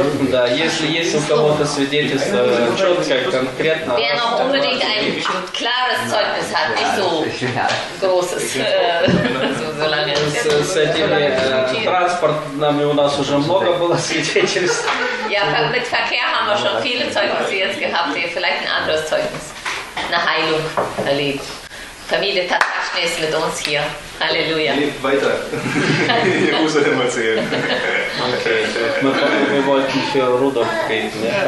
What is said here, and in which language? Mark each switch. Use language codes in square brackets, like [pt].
[ru] Да, если есть у кого-то свидетельство, четко, конкретно... [de] Wer noch unbedingt ein klares Zeugnis hat, nicht so großes, so lange... [ru] С этими транспортными у нас уже много было свидетельств. [de] Ja, mit Verkehr haben wir schon viele Zeugnisse jetzt gehabt, die vielleicht ein anderes Zeugnis, eine Heilung erlebt. Familie Tatschne ist mit uns hier. Halleluja. Weiter. Jerusalem erzählen. Okay. Wir wollten für Rudolf beten.